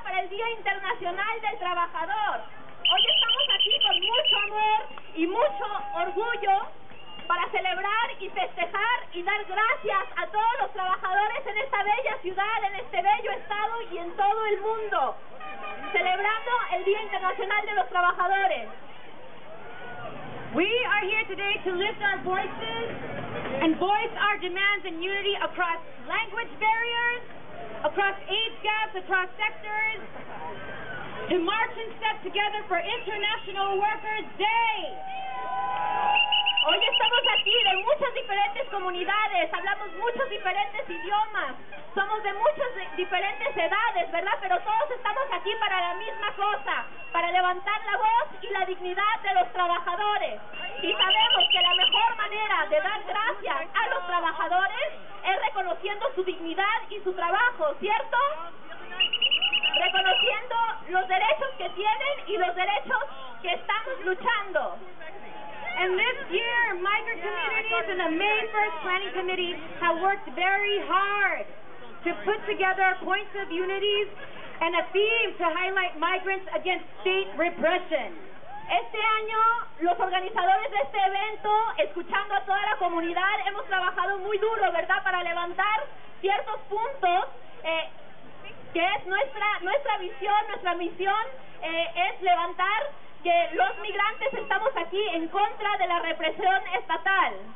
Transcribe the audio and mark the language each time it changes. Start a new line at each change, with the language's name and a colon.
Spanish: Para el Día Internacional del Trabajador. Hoy estamos aquí con mucho amor y mucho orgullo para celebrar y festejar y dar gracias a todos los trabajadores en esta bella ciudad, en este bello estado y en todo el mundo, celebrando el Día Internacional de los Trabajadores.
English: We are here today to lift our voices and voice our demands in unity across language barriers, across age gaps, across sectors, to march and step together for International Workers Day.
Spanish: Hoy estamos aquí de muchas diferentes comunidades, hablamos muchos diferentes idiomas, somos de muchas diferentes edades, ¿verdad? Pero todos estamos aquí para la misma cosa, para levantar la voz y la dignidad de los trabajadores. Y sabemos que la mejor manera de dar gracias a los trabajadores es reconociendo su dignidad y su trabajo, ¿cierto? Reconociendo los derechos que tienen y los derechos que estamos luchando.
English: And this year, migrant communities and the May 1st Planning Committee have worked very hard to put together points of unities and a theme to highlight migrants against state repression.
Spanish: Este año, los organizadores de este evento, escuchando a toda la comunidad, hemos trabajado muy duro, ¿verdad?, para levantar ciertos puntos que es nuestra visión, nuestra misión es levantar que los migrantes estamos aquí en contra de la represión estatal.